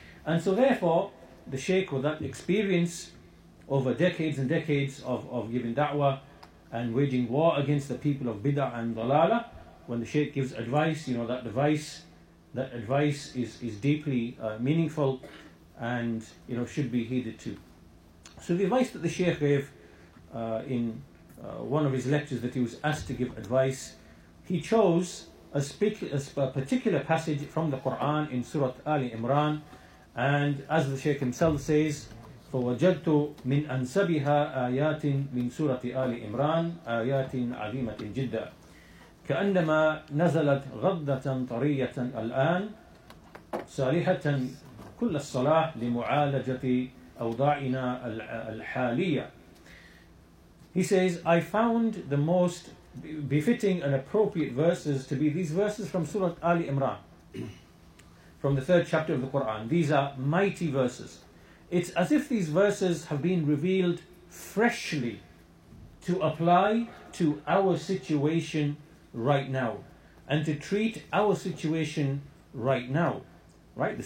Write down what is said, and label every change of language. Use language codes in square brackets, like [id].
[en] And so therefore, the Shaykh, with that experience over decades and decades of giving da'wah and waging war against the people of bid'ah and dalala, when the Shaykh gives advice, you know, that advice is deeply meaningful and, you know, should be heeded too. So the advice that the Shaykh gave in one of his lectures that he was asked to give advice, he chose a particular passage from the Qur'an in Surah Ali Imran. And as the Shaykh himself says, [ar] فَوَجَدْتُ مِنْ أَنْسَبِهَا آيَاتٍ مِنْ سُورَةِ آلِ إِمْرَانِ آيَاتٍ عَظِيمَةٍ جِدًّا كأنما نزلت غضة طرية الآن صالحة كل الصلاة لمعالجة أوضاعنا الحالية. [en] He says, I found the most befitting and appropriate verses to be these verses from Surah Ali Imran, from the third chapter of the Quran. These are mighty verses. It's as if these verses have been revealed freshly to apply to our situation right now, and to treat our situation right now, right?